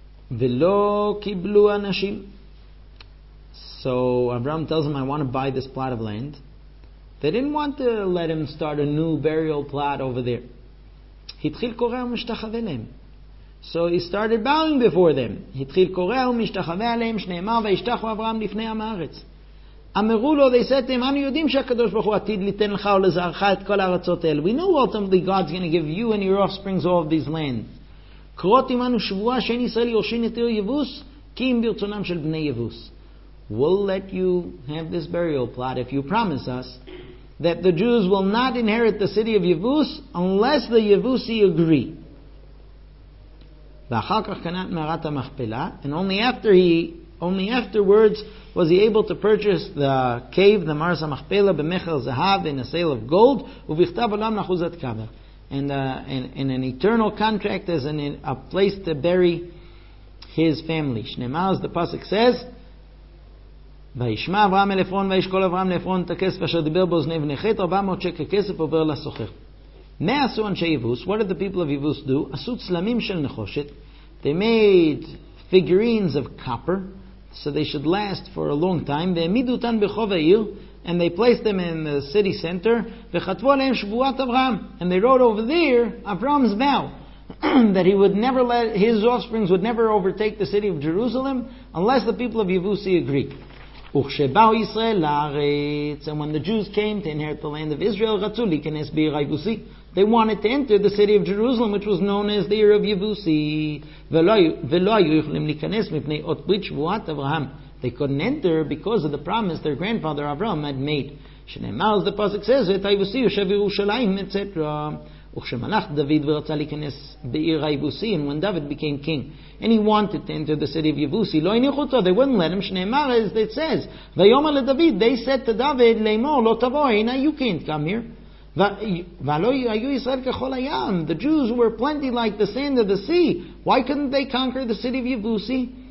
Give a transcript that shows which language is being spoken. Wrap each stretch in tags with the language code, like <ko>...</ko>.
<he>Velo kiblu anashim.</he> <en>So Abraham tells him, I want to buy this plot of land. They didn't want to let him start a new burial plot over there.</en> <he>התחיל קורא ומשתחווה להם.</he> <en>So he started bowing before them.</en> <he>התחיל קורא ומשתחווה עליהם שנאמר וישתחו אברהם לפני עם הארץ. אמרו לו,</he> <en>they said to him,</en> <he>אנו יודעים שהקדוש ברוך הוא עתיד ליתן לך ולזרעך את כל הארצות האלה.</he> <en>We know ultimately God's going to give you and your offsprings all of these lands.</en> <he>קרות עמנו שבועה שאין ישראל יורשין את עיר יבוס, כי אם ברצונם של בני יבוס.</he> <en>We'll let you have this burial plot if you promise us that the Jews will not inherit the city of Yevus unless the Yevusi agree. And only afterwards was he able to purchase the cave, the Maras HaMachpelah,</en> <he>b'mechel zahav,</he> <en>in a sale of gold,</en> <he>u'vichtav olam l'achuzat kaver,</he> <en>and in an eternal contract as a place to bury his family.</en> <he>Shneimaz,</he> <en>the pasuk says,</en> <he>וישמע אברהם אל עפרון וישקול אברהם לעפרון את הכסף אשר דיבר באוזני בני חת 400 שקל כסף עובר לסוחר. מה עשו אנשי יבוס?</he> <en>What did the people of Yevus do?</en> <he>עשו צלמים של נחושת.</he> <en>They made figurines of copper so they should last for a long time.</en> <he>והעמידו אותן ברחוב העיר,</he> <en>and they placed them in the city center,</en> <he>וכתבו עליהם שבועת אברהם,</he> <en>and they wrote over there Abraham's vow that he would never let his offsprings would never overtake the city of Jerusalem unless the people of Yevusi agree.</en> <he>וכשבאו ישראל לארץ,</he> <en>and when the Jews came to inherit the land of Israel,</en> <he>רצו להיכנס בעיר היבוסי.</he> <en>They wanted to enter the city of Jerusalem, which was known as the year of Yevusi.</en> <he>ולא היו יכולים להיכנס מפני אות ברית שבועת אברהם.</he> <en>They couldn't enter because of the promise their grandfather Abraham had made.</en> <he>שנאמר אז הפסוק says, ואת היבוסי יושב ירושלים, etc. וכשמלך דוד ורצה להיכנס בעיר היבוסי,</he> <en>and when David became king, and he wanted to enter the city of Yevusi,</en> <he>לא הניחו אותו,</he> <en>they wouldn't let him, שנאמר, as it says,</en> <he>ויאמר לדוד,</he> <en>they said to David,</en> <he>לאמור, לא תבוא, הנה,</he> <en>you can't come here.</en> <he>ולא היו ישראל ככל הים,</he> <en>the Jews were plenty like the sand of the sea, why couldn't they conquer the city of Yevusi?</en>